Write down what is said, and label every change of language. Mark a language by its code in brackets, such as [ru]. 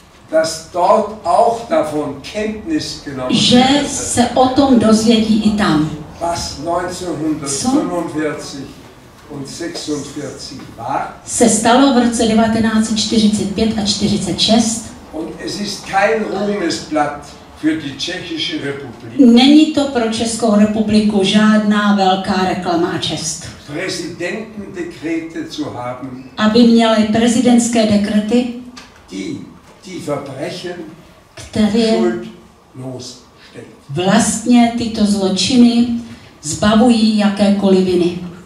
[de] dass dort auch davon Kenntnis genommen wird, [cs] že se o tom dozvědí i tam, [de] was 1945 und 46 war, [cs] se stalo v roce 1945 a 46. [de] Und es ist kein Ruhmesblatt für die Tschechische Republik. [cs] Není to pro Českou republiku žádná velká reklama a čest. [de] Präsidentendekrete zu haben, [cs] aby měli prezidentské dekrety, [de] die Verbrechen, [cs] které [de] schuldlos stellt. [cs] Vlastně tyto zločiny zbavují jakékoliv viny.